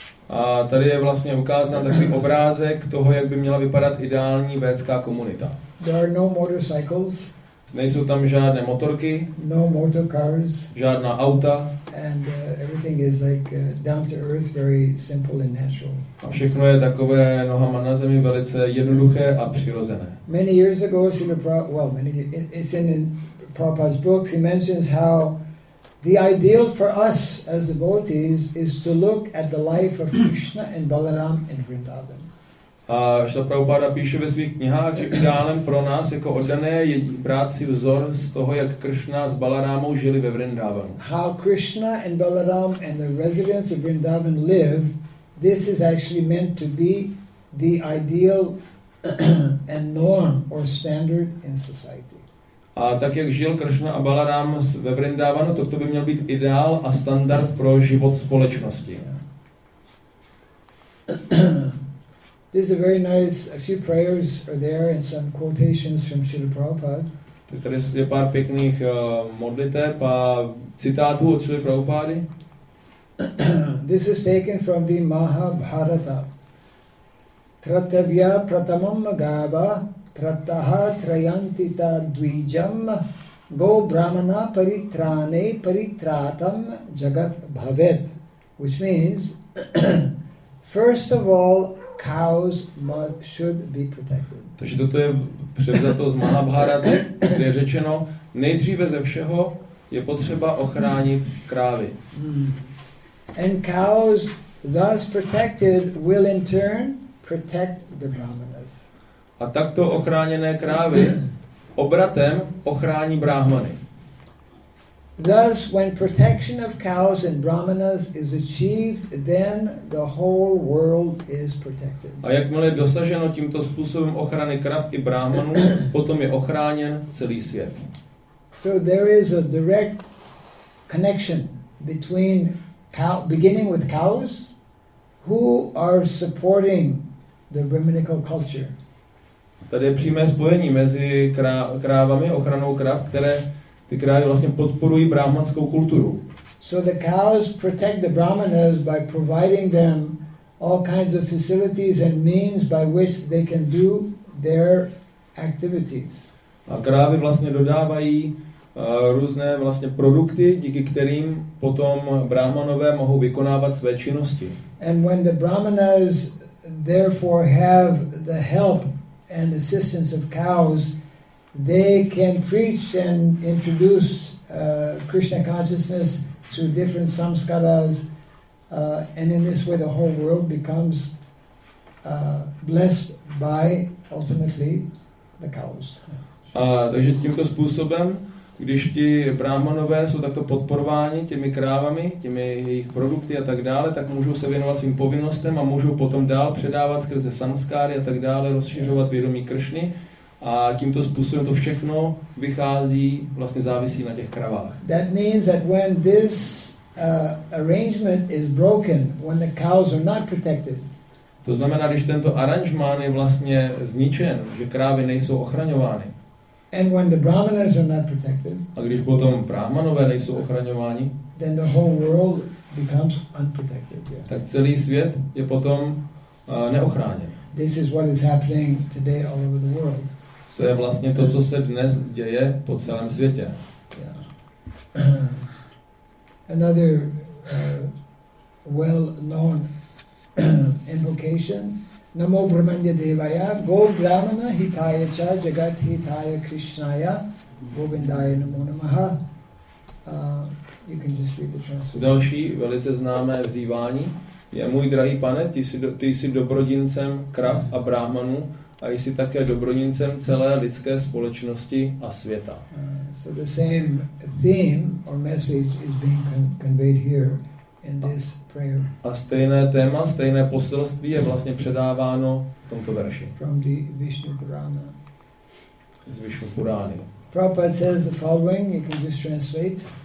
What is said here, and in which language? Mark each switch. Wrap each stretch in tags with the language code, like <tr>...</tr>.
<cs>A tady je vlastně ukázán takový obrázek toho, jak by měla vypadat ideální védská komunita.</cs> <en>There are no motorcycles.</en> <cs>Nejsou tam žádné motorky.</cs> <en>No motor cars.</en> <cs>Žádná auta.</cs> <en>And everything is like down to earth, very simple and natural.</en> <cs>A všechno je takové nohama na zemi velice jednoduché a přirozené.</cs> <en>Many years ago, it's in Prabhupada's books, he mentions how the ideal for us as devotees is to look at the life of Krishna and Balaram in Vrindavan.</en> <cs>A Šta Prabhupada píše ve svých knihách, že ideálem pro nás jako oddané je brát si vzor z toho, jak Krishna s Balarámou žili ve Vrindavanu.</cs> <en>How Krishna and Balaram and the residents of Vrindavan live, this is actually meant to be the ideal and norm or standard in society.</en> <cs>A tak, jak žil Krishna a Balaram ve Vrindavanu, to by měl být ideál a standard pro život společnosti.</cs> <en>This is a very nice, a few prayers are there and some quotations from Srila Prabhupada.</en> <cs>Tady je pár pěkných modliteb a citátů od Srila Prabhupady.</cs> <en>This is taken from the Mahabharata.</en> <sa>Tratavya pratamam gava Trataha trayantita dvijam go brahmana paritrane paritratam jagat bhavet,</sa> <en>which means first of all cows should be protected.</en> <cs>Takže toto je převzato z Mahabharaty, kde je řečeno nejdříve ze všeho je potřeba ochránit krávy.</cs> <en>And cows thus protected will in turn protect the brahmana.</en> <cs>A takto ochráněné krávy obratem ochrání brahmany.</cs> <en>Thus, when protection of cows and brahmanas is achieved, then the whole world is protected.</en> <cs>A jakmile je dosaženo tímto způsobem ochrany krav i brahmanů, potom je ochráněn celý svět.</cs> <en>So there is a direct connection between beginning with cows, who are supporting the brahminical culture.</en> <cs>Tady je přímé spojení mezi krávami, ochranou krav, které ty krávy vlastně podporují brahmanskou kulturu.</cs> <en>So the cows protect the brahmanas by providing them all kinds of facilities and means by which they can do their activities.</en> <cs>A krávy vlastně dodávají různé vlastně produkty, díky kterým potom brahmanové mohou vykonávat své činnosti.</cs> <en>And when the brahmanas therefore have the help and assistance of cows, they can preach and introduce Krishna consciousness through different samskaras, and in this way the whole world becomes blessed by ultimately the cows.</en> <cs>Takže tímto způsobem, když ti brahmanové jsou takto podporováni těmi krávami, těmi jejich produkty a tak dále, tak můžou se věnovat svým povinnostem a můžou potom dál předávat skrze samskáry a tak dále, rozšiřovat vědomí Kršny. A tímto způsobem to všechno vychází, vlastně závisí na těch kravách.</cs> <en>That means that when this arrangement is broken, when the cows are not protected.</en> <cs>To znamená, když tento aranžmán je vlastně zničen, že krávy nejsou ochraňovány.</cs> <en>And when the brahmanas are not protected,</en> <cs>a když potom brahmanové nejsou ochraňováni,</cs> <en>then the whole world becomes unprotected. Yeah.</en> <cs>Tak celý svět je potom neochráněn.</cs> <en>This is what is happening today all over the world.</en> <cs>To je vlastně to, co se dnes děje po celém světě.</cs> <en>Yeah. Another well-known invocation.</en> <sa>Namo Brahmanya Devaya, Go Brahmana Hitaya Cha, Jagat Hitaya Krishnaya, Govindaya Namo Namaha.</sa> <en>You can just read the translation.</en> <cs>Další velice známé vzývání je: můj drahý pane, ty jsi dobrodincem krav a brahmanů a jsi také dobrodincem celé lidské společnosti a světa.</cs> <en>So the same theme or message is being conveyed here in this.</en> <cs>A stejné téma, stejné poselství je vlastně předáváno v tomto verši.</cs> <en>From the Vishnu Purana.</en> <cs>Z Vishnu Purány.</cs> <en>Prabhupada says the following, you can just translate.</en>